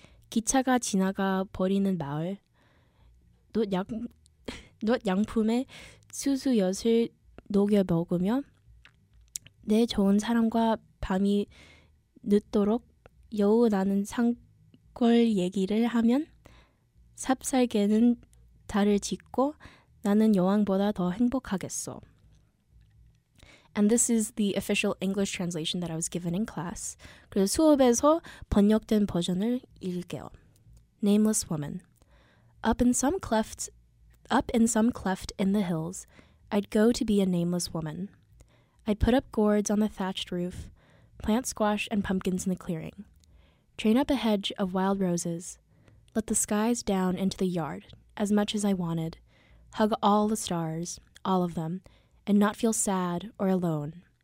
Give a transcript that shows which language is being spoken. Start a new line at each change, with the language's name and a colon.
Korean: 기차가 지나가 버리는 마을 낫 양품에 수수엿을 녹여 먹으며 내 좋은 사람과 밤이 늦도록 여우 나는 산골 얘기를 하면 삽살개는 달을 짓고 나는 여왕보다 더 행복하겠소.
English: And this is the official English translation that I was given in class.
Korean: 그래서 수업에서 번역된 버전을 읽을게요.
English: Nameless Woman. Up in some cleft in the hills, I'd go to be a nameless woman. I'd put up gourds on the thatched roof, plant squash and pumpkins in the clearing, train up a hedge of wild roses, let the skies down into the yard as much as I wanted, hug all the stars, all of them, and not feel sad or alone.